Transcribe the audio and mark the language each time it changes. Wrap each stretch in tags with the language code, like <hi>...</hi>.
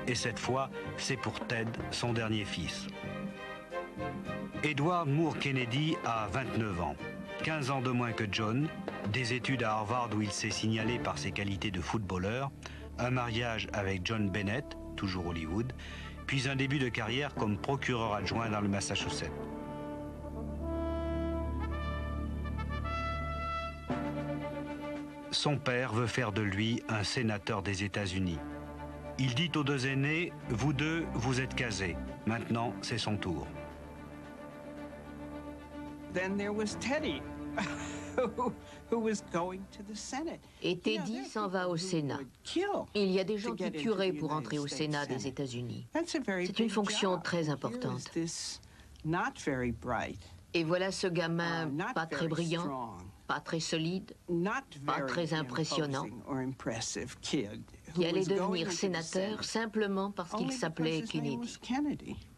<fr>Et cette fois, c'est pour Ted, son dernier fils. Edward Moore Kennedy a 29 ans, 15 ans de moins que John, des études à Harvard où il s'est signalé par ses qualités de footballeur, un mariage avec John Bennett, toujours Hollywood, puis un début de carrière comme procureur adjoint dans le Massachusetts. Son père veut faire de lui un sénateur des États-Unis. Il dit aux deux aînés, vous deux, vous êtes casés. Maintenant, c'est son tour.</fr> <en>Then there was Teddy, who was going to the Senate.</en> <fr>Et Teddy s'en va au Sénat. Il y a des gens qui tueraient pour entrer au Sénat des États-Unis. C'est une fonction très importante. Et voilà ce gamin pas très brillant, pas très solide, pas très impressionnant, qui allait devenir sénateur simplement parce qu'il s'appelait Kennedy.</fr>